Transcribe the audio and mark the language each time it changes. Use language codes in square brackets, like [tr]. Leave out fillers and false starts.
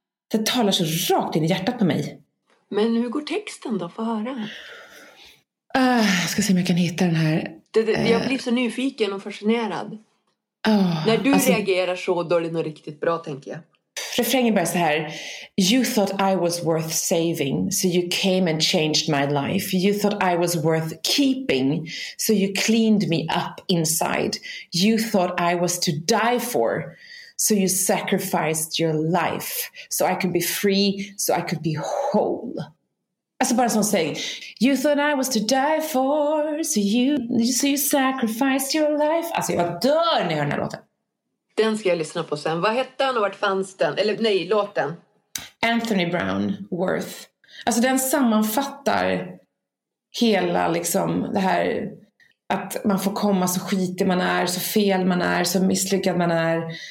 [sv] Det talar så rakt in i hjärtat på mig. Men hur går texten då? Får höra. Jag ska se om jag kan hitta den här. Jag blir så nyfiken och fascinerad. När du alltså, reagerar så, då är det nog riktigt bra, tänker jag. Refrängen börjar så här. [en] You thought I was worth saving, so you came and changed my life. You thought I was worth keeping, so you cleaned me up inside. You thought I was to die for, so you sacrificed your life. So I could be free, so I could be whole. [sv] Alltså bara som säger, [en] you thought I was to die for, so you sacrificed your life. [sv] Alltså jag dör när jag hör den här låten. Den ska jag lyssna på sen. Vad hette den och vart fanns den? Eller nej, låten. Anthony Brown, Worth. Alltså den sammanfattar hela liksom det här att man får komma så skitig man är, så fel man är, så misslyckad man är.